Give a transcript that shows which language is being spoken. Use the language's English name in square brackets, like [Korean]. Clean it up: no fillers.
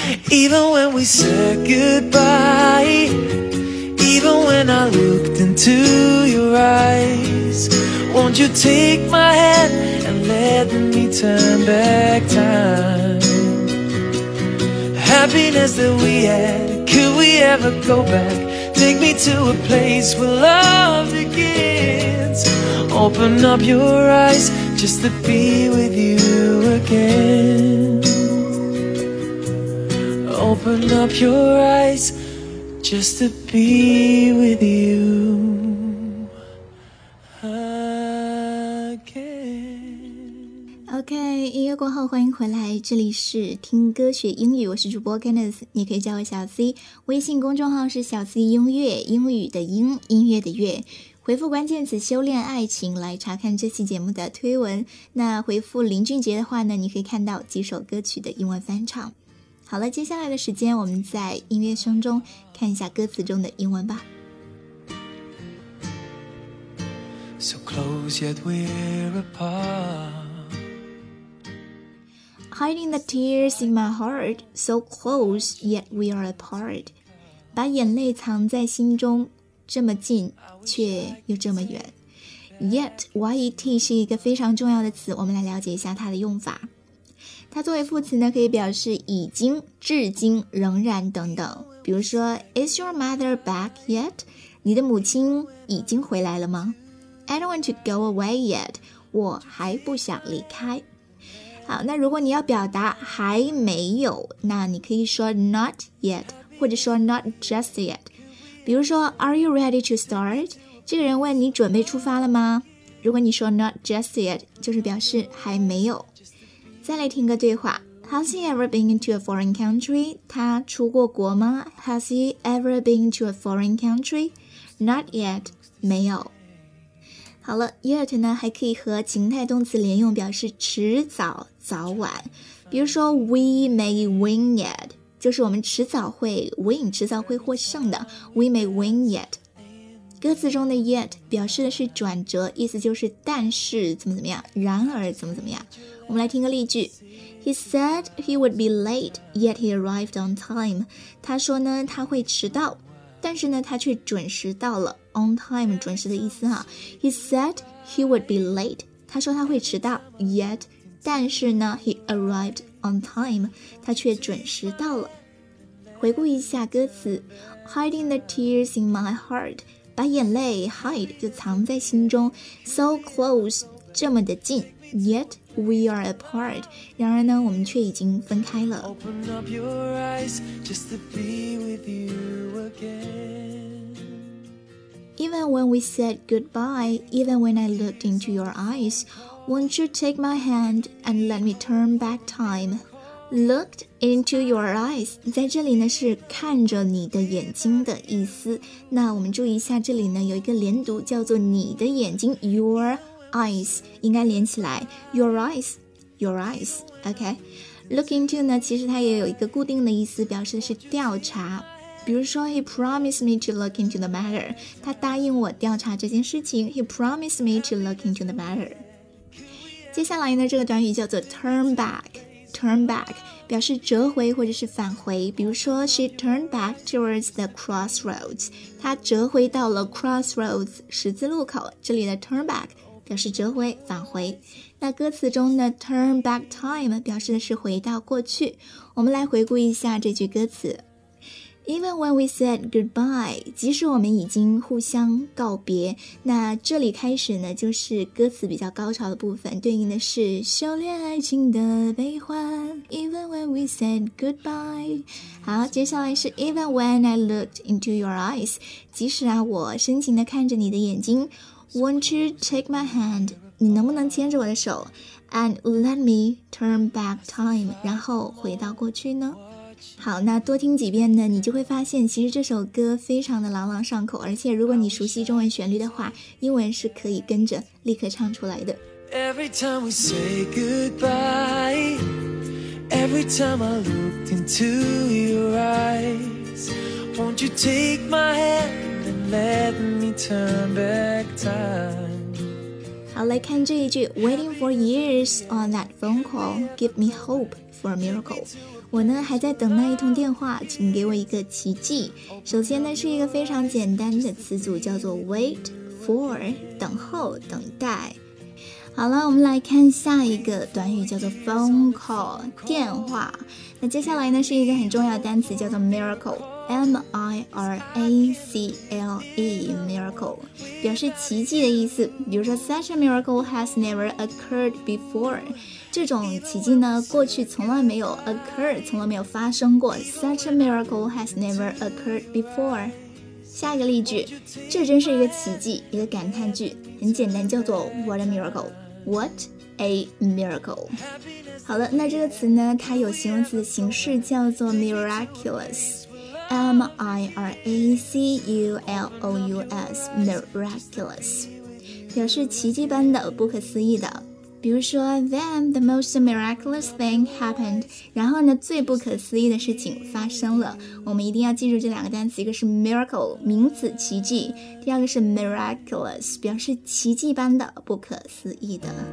[English] Even when we said goodbye Even when I looked into your eyes Won't you take my hand and let me turn back timeHappiness that we had, could we ever go back? Take me to a place where love begins Open up your eyes just to be with you again Open up your eyes just to be with youOK， [Chinese] 音乐过后欢迎回来，这里是听歌学英语，我是主播 Kenneth， 你可以叫我小 C，微信公众号是小 C 音乐，英语的英，音乐的乐，回复关键词修炼爱情来查看这期节目的推文。那回复林俊杰的话呢，你可以看到几首歌曲的英文翻唱。好了，接下来的时间我们在音乐声中看一下歌词中的英文吧。 [English] So close yet we're apart Hiding the tears in my heart, so close, yet we are apart. [Chinese] 把眼泪藏在心中，这么近，却又这么远。 Yet, YET 是一个非常重要的词，我们来了解一下它的用法。它作为副词呢，可以表示已经、至今、仍然等等。比如说 [English] Is your mother back yet? [Chinese] 你的母亲已经回来了吗？ [English] I don't want to go away yet. [Chinese] 我还不想离开。好，那如果你要表达还没有，那你可以说 not yet, 或者说 [English] not just yet。 [Chinese] 比如说 [English] Are you ready to start? [Chinese] 这个人问你准备出发了吗？如果你说 [English] not just yet, [Chinese] 就是表示还没有。再来听个对话。 [English] Has he ever been into a foreign country? [Chinese] 他出过国吗? [English] Has he ever been to a foreign country? Not yet, [Chinese] 没有。好了 ,yet 呢还可以和情态动词连用，表示迟早、早晚。比如说 , [English] we may win yet, [Chinese] 就是我们迟早会 win, 迟早会获胜的。 [English] We may win yet。 [Chinese] 歌词中的 yet 表示的是转折，意思就是但是怎么怎么样，然而怎么怎么样。我们来听个例句。 [English] He said he would be late, yet he arrived on time. [Chinese] 他说呢他会迟到，但是呢他却准时到了。 [English] On time, [Chinese] 准时的意思哈。 [English] He said he would be late. [Chinese] 他说他会迟到， yet, 但是呢 [English] he arrived on time. [Chinese] 他却准时到了。回顾一下歌词。 [English] Hiding the tears in my heart. [Chinese] 把眼泪 hide 就藏在心中。 So close, 这么的近。 [English] Yet we are apart. [Chinese] 然而呢，我们却已经分开了。 [English] Open up your eyes just to be with you again. Even when we said goodbye, even when I looked into your eyes, won't you take my hand and let me turn back time? Looked into your eyes. [Chinese] 在这里呢，是看着你的眼睛的意思。那我们注意一下，这里呢有一个连读，叫做你的眼睛 your. Eyes 应该连起来 [English] Your eyes [Chinese] OK Look into 呢其实它也有一个固定的意思，表示的是调查。比如说 [English] He promised me to look into the matter. [Chinese] 他答应我调查这件事情。 [English] He promised me to look into the matter. [Chinese] 接下来呢这个短语叫做 Turn back 表示折回或者是返回。比如说 [English] She turned back towards the crossroads. [Chinese] 她折回到了 crossroads 十字路口。这里的 turn backbet示折回返回。那歌词中的 turn back time 表示的是回到过去。我们来回顾一下这句歌词。 [English] Even when we said goodbye, [Chinese] 即使我们已经互相告别，那这里开始呢就是歌词比较高潮的部分，对应的是修炼爱情的悲欢。 [English] Even when we said goodbye, [Chinese] 好，接下来是 [English] Even when I looked into your eyes, [Chinese] 即使啊我深情地看着你的眼睛。 [English] Won't you take my hand? [Chinese] 你能不能牵着我的手? [English] And let me turn back time, [Chinese] 然后回到过去呢? 好，那多听几遍呢，你就会发现其实这首歌非常的朗朗上口，而且如果你熟悉中文旋律的话，英文是可以跟着立刻唱出来的。 [English] Every time we say goodbye, Every time I looked into your eyes, Won't you take my handLet me turn back time. [Chinese] 好，来看这一句 [English] Waiting for years on that phone call Give me hope for a miracle [Chinese] 我呢还在等那一通电话请给我一个奇迹首先呢是一个非常简单的词组叫做 Wait for 等候等待好了我们来看下一个短语叫做 phone call 电话那接下来呢是一个很重要的单词叫做 miracleMiracle, miracle, 表示奇迹的意思。比如说 [English] ,such a miracle has never occurred before. [Chinese] 这种奇迹呢过去从来没有 occur, 从来没有发生过。 [English] Such a miracle has never occurred before. [Chinese] 下一个例句这真是一个奇迹一个感叹句很简单叫做 [English] what a miracle. What a miracle. [Chinese] 好了那这个词呢它有形容词的形式叫做 miraculous. M-I-R-A-C-U-L-O-U-S Miraculous 表示奇迹般的不可思议的比如说 [English] Then the most miraculous thing happened [Chinese] 然后呢最不可思议的事情发生了我们一定要记住这两个单词一个是 miracle 名词奇迹第二个是 miraculous 表示奇迹般的不可思议的